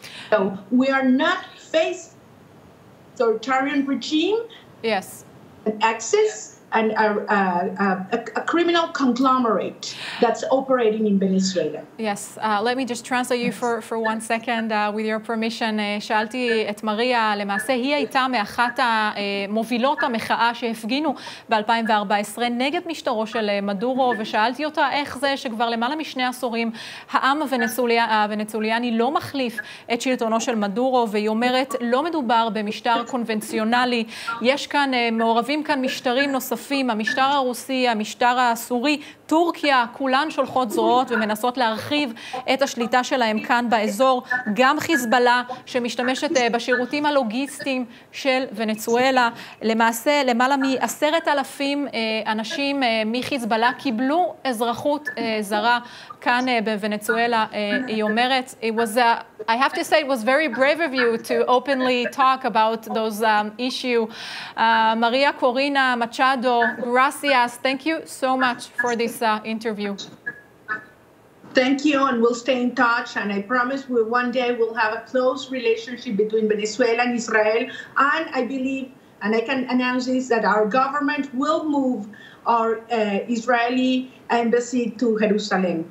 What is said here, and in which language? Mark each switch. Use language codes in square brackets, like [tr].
[en] So we are not facing authoritarian regime yes access a criminal conglomerate that's operating in Venezuela. Yes, let me just translate you for one second with your permission. [he] שאלתי את מריה, למעשה היא הייתה מאחת המובילות המחאה שהפגינו ב-2014 נגד משטרו של מדורו, ושאלתי אותה איך זה שכבר למעלה משני עשורים העם הוונצוליאני לא מחליף את שלטונו של מדורו, והיא אומרת, לא מדובר במשטר קונבנציונלי, יש כאן, מעורבים כאן משטרים נוספים, המשטר הרוסי, המשטר הסורי, טורקיה, כולן שולחות זרועות ומנסות להרחיב את השליטה שלהם כאן באזור, גם חיזבאללה שמשתמשת בשירותים הלוגיסטיים של ונצואלה. למעשה, למעלה מ-10,000 אנשים מחיזבאללה קיבלו אזרחות זרה כאן בוונצואלה. היא אומרת, [en] I have to say it was very brave of you to openly talk about those issue. Maria Corina Machado, gracias. Thank you so much for this interview. Thank you, and we'll stay in touch, and I promise we one day we'll have a close relationship between Venezuela and Israel, and I believe, and I can announce this, that our government will move our Israeli embassy to Jerusalem.